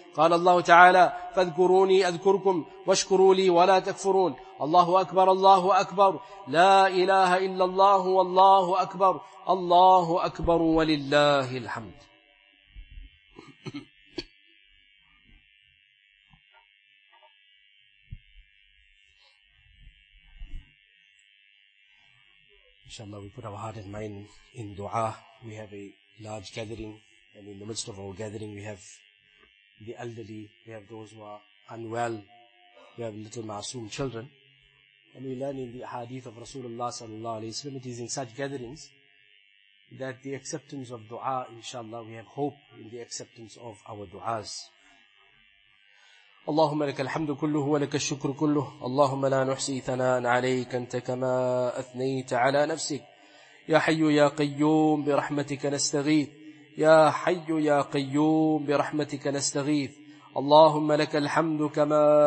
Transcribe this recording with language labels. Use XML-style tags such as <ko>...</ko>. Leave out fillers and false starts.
<ar>قال الله تعالى فاذكروني أذكركم واشكروا لي ولا تكفرون الله أكبر الله أكبر لا إله إلا الله والله أكبر الله أكبر ولله الحمد</ar> <en>InshaAllah, we put our heart and mind in dua. We have a large gathering, and in the midst of our gathering, we have the elderly, we have those who are unwell, we have little masoom children. And we learn in the hadith of Rasulullah sallallahu alayhi wa sallam, it is in such gatherings that the acceptance of dua, inshaAllah, we have hope in the acceptance of our duas.</en> <ar>اللهم لك الحمد كله ولك الشكر كله اللهم لا نحصي ثناء عليك أنت كما أثنيت على نفسك يا حي يا قيوم برحمتك نستغيث يا حي يا قيوم برحمتك نستغيث اللهم لك الحمد كما</ar>